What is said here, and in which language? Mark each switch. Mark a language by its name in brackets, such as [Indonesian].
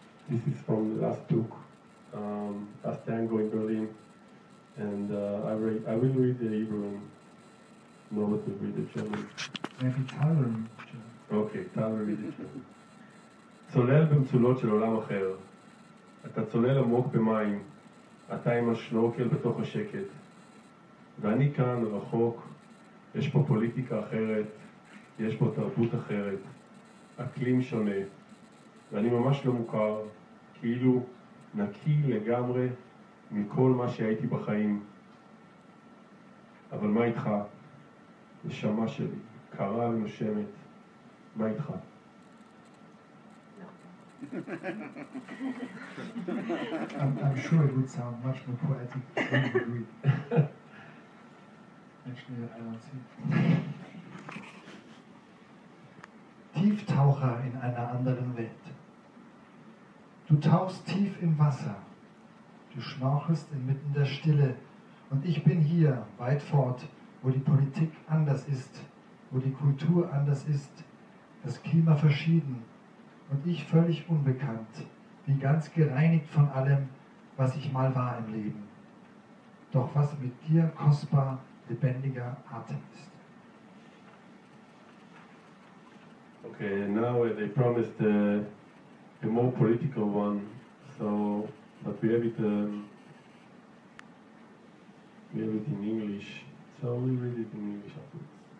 [English] This is from the last book, Last Tango in Berlin. And I will read the Hebrew and Norbert will read the German. Maybe Tyler read the German. Okay, Tyler read the German. [Hebrew] צולל במצולות של עולם אחר. אתה צולל עמוק במים, אתה עם השנורקל בתוך השקט. ואני כאן, רחוק, יש פה פוליטיקה אחרת, יש פה תרבות אחרת, אקלים שונה. ואני ממש לא מוכר, כאילו נקי לגמרי מכל מה שהייתי בחיים. אבל מה איתך? נשמה שלי, קרה ונושמת, מה איתך? [English] I'm sure it would sound much more poetic than you agree. Actually, I don't see it. [German] Tieftaucher in einer anderen Welt. Du tauchst tief im Wasser. Du schnorchelst inmitten der Stille. Und ich bin hier, weit fort, wo die Politik anders ist, wo die Kultur anders ist, das Klima verschieden. Und ich völlig unbekannt, wie ganz gereinigt von allem, was ich mal war im Leben. Doch was mit dir kostbar, lebendiger Atem ist. [English] Okay, now they promised a more political one, so, but we have it in English, so we read it in English afterwards.